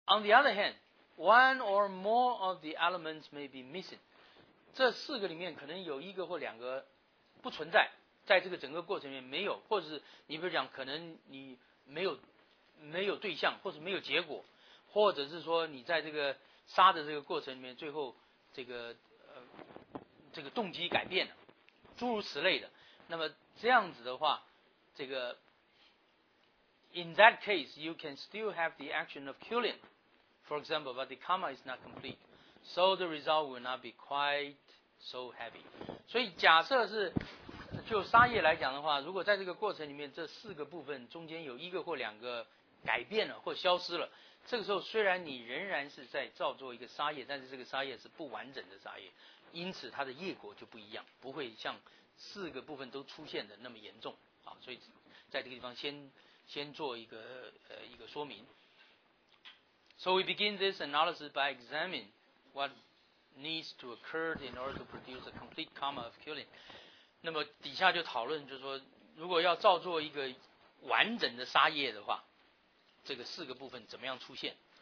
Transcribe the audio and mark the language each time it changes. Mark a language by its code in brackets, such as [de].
[en] On the other hand, one or more of the elements may be missing. [zh] 这四个里面可能有一个或两个不存在，在这个整个过程里面没有，或者是你比如讲，可能你没有对象，或者没有结果，或者是说你在这个杀的这个过程里面，最后这个动机改变了，诸如此类的。那么这样子的话，这个 [en] in that case you can still have the action of killing, for example, but the karma is not complete, so the result will not be quite so heavy. [zh] 所以假设是就杀业来讲的话，如果在这个过程里面这四个部分中间有一个或两个改变了或消失了，这个时候虽然你仍然是在造作一个杀业，但是这个杀业是不完整的杀业，因此它的业果就不一样，不会像四个部分都出现的那么严重。好，所以在这个地方先做一个说明。 [en] So we begin this analysis by examining what needs to occur in order to produce a complete karma of killing. [zh] 那么底下就讨论，就是说如果要造作一个完整的杀业的话，这个四个部分怎么样出现。